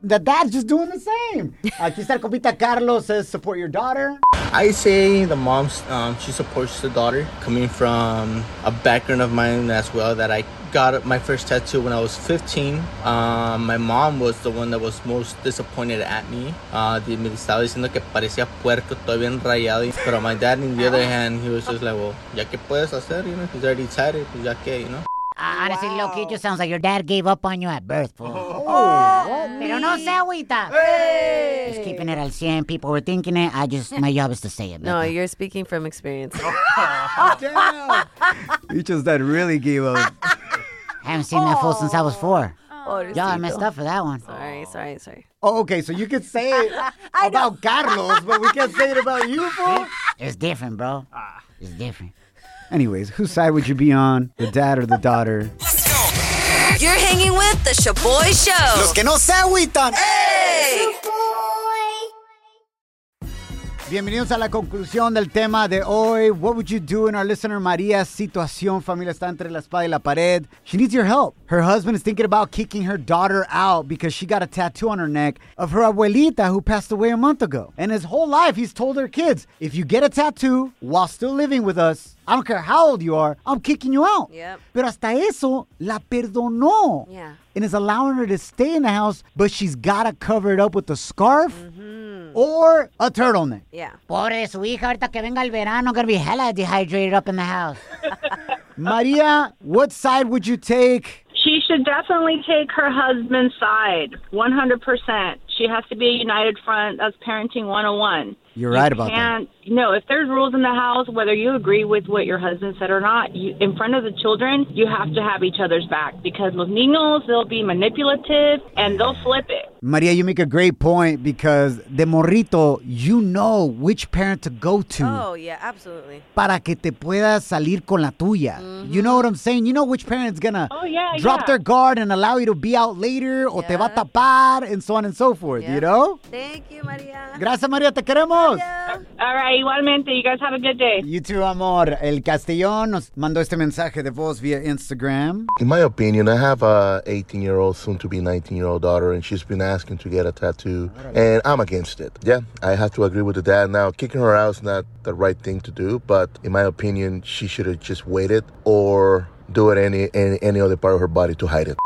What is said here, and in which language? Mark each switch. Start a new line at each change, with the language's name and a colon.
English: The dad's just doing the same.
Spanish: Aquí está el compita Carlos
English: says, support your daughter. I say the mom, she supports the daughter. Coming from a background of mine as well, that I got my first tattoo when I was 15. My mom was the one that was most disappointed at me.
Spanish: Me estaba diciendo que parecía puerco, todo bien rayado.
English: But my dad, on the other hand, he was just like, well,
Spanish: ya que puedes hacer,
English: you know, he's already tired,
Spanish: pues ya que,
English: you know. Honestly, wow. Loki, it just sounds like your dad gave up on you at birth, fool.
Spanish: Pero no se agüita.
English: Hey. Just keeping it
Spanish: al 100.
English: People were thinking it. My job is to say it. No, you're speaking from experience. Damn. Just dad really gave up. I haven't seen that fool since I was four. Y'all messed up for that one. Sorry. Oh, okay, so you can say it about Carlos, but we can't say it about you, fool? It's different, bro. It's different. Anyways, whose side would you be on? The dad or the daughter? Let's go. You're hanging with the Sha'Boy Show.
Spanish: Los que no se agüitan.
English: Hey!
Spanish: Bienvenidos a la conclusión del tema de hoy.
English: What would you do in our listener María's situación?
Spanish: Familia está entre la espada y la pared.
English: She needs your help. Her husband is thinking about kicking her daughter out because she got a tattoo on her neck of her abuelita who passed away a month ago. And his whole life, he's told her kids, if you get a tattoo while still living with us, I don't care how old you are, I'm kicking you out. Yep.
Spanish: Pero hasta eso, la perdonó.
English: Yeah. And is allowing her to stay in the house, but she's got to cover it up with a scarf. Mm-hmm. Or a turtleneck. Yeah.
Spanish: Pobre su hija, ahorita que venga el verano,
English: gonna be hella dehydrated up in the house. María, what side would you take? She should definitely take her husband's side, 100%. She has to be a united front. That's parenting 101. You're right about that. No, if there's rules in the house, whether you agree with what your husband said or not, you, in front of the children, you have to have each other's back. Because
Spanish: los niños,
English: they'll be manipulative and they'll flip it. María, you make a great point because
Spanish: de morrito,
English: you know which parent to go to. Oh, yeah, absolutely.
Spanish: Para que te puedas salir con la tuya.
English: Mm-hmm. You know what I'm saying? You know which parent's going to drop their guard and allow you to be out later or
Spanish: te va a tapar
English: and so on and so forth, you know? Thank you, María.
Spanish: Gracias, María. Te queremos.
English: All right,
Spanish: igualmente.
English: You guys have a good day. You too, amor.
Spanish: El Castellón nos mandó este mensaje de voz via Instagram.
English: In my opinion, I have a 18-year-old, soon-to-be 19-year-old daughter, and she's been asking to get a tattoo, and I'm against it. Yeah, I have to agree with the dad. Now, kicking her out is not the right thing to do, but in my opinion, she should have just waited or do it any other part of her body to hide it.